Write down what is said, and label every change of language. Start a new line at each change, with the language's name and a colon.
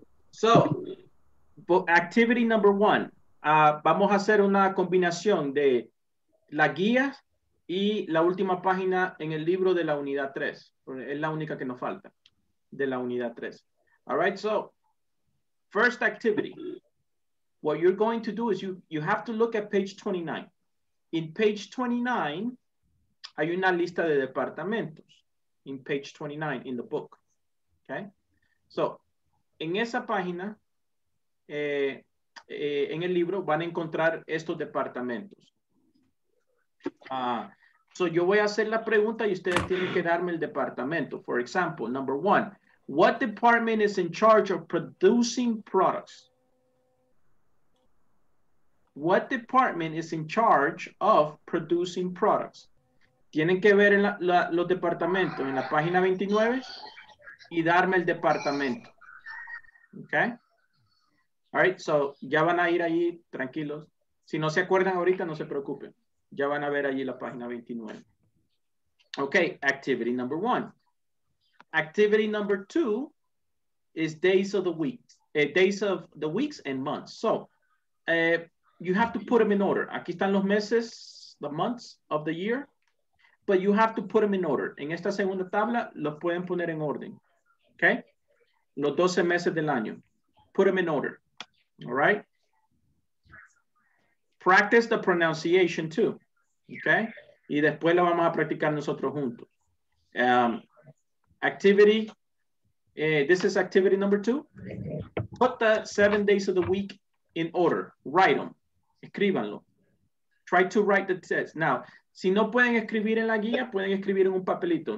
English: So, activity number one.
Spanish: Vamos a hacer una combinación de las guías y la última página en el libro de la unidad 3. Es la única que nos falta de la unidad 3.
English: All right, so, first activity. What you're going to do is you have to look at page 29. In page 29,
Spanish: hay una lista de departamentos.
English: In page 29, in the book.
Spanish: Okay, so, en esa página, en el libro, van a encontrar estos departamentos. So, yo voy a hacer la pregunta y ustedes tienen que darme el departamento.
English: For example, number one, what department is in charge of producing products? What department is in charge of producing products?
Spanish: Tienen que ver en los departamentos en la página 29 y darme el departamento.
English: Okay? All right, so
Spanish: ya van a ir ahí tranquilos. Si no se acuerdan ahorita, no se preocupen. Ya van a ver allí la página 29.
English: Okay, activity number one. Activity number two is days of the week. Days of the weeks and months. So, you have to put them in order.
Spanish: Aquí están los meses,
English: the months of the year. But you have to put them in order.
Spanish: En esta segunda tabla, los pueden poner en orden.
English: Okay?
Spanish: Los 12 meses del año.
English: Put them in order. All right? Practice the pronunciation too. Okay?
Spanish: Y después lo vamos a practicar nosotros juntos.
English: Activity. This is activity number two. Put the 7 days of the week in order. Write them.
Spanish: Escríbanlo.
English: Try to write the test.
Spanish: Now, si no pueden escribir en la guía, pueden escribir en un papelito.